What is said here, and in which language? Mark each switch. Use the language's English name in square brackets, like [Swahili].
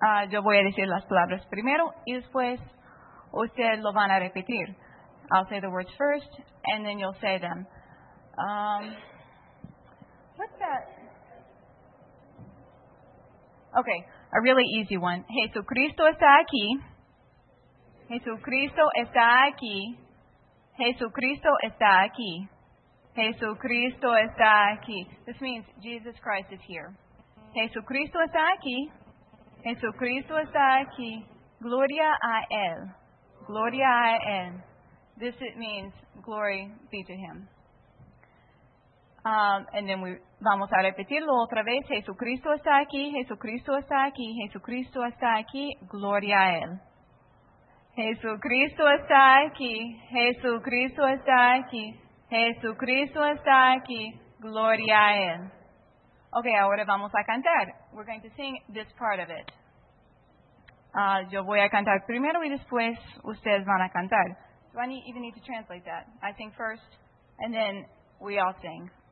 [Spanish] Yo voy a decir las palabras primero, y después ustedes lo van a repetir. [English] I'll say the words first, and then you'll say them. What's that? Okay, a really easy one. [Spanish] Jesucristo está aquí. Jesucristo está aquí. Jesucristo está aquí. Jesucristo está aquí. [English] This means Jesus Christ is here. [Spanish] Jesucristo está aquí. Jesucristo está aquí. Gloria a él. Gloria a él. [English] This it means glory be to him. And then we [Spanish] vamos a repetirlo otra vez. Jesucristo está aquí. Jesucristo está aquí. Jesucristo está aquí. Gloria a él. Jesucristo está aquí. Jesucristo está aquí. Jesucristo está aquí. Gloria a él. Okay, ahora vamos a cantar. [English] We're going to sing this part of it. [Spanish] Yo voy a cantar primero y después ustedes van a cantar. [English] Do I even need to translate that? I sing first and then we all sing.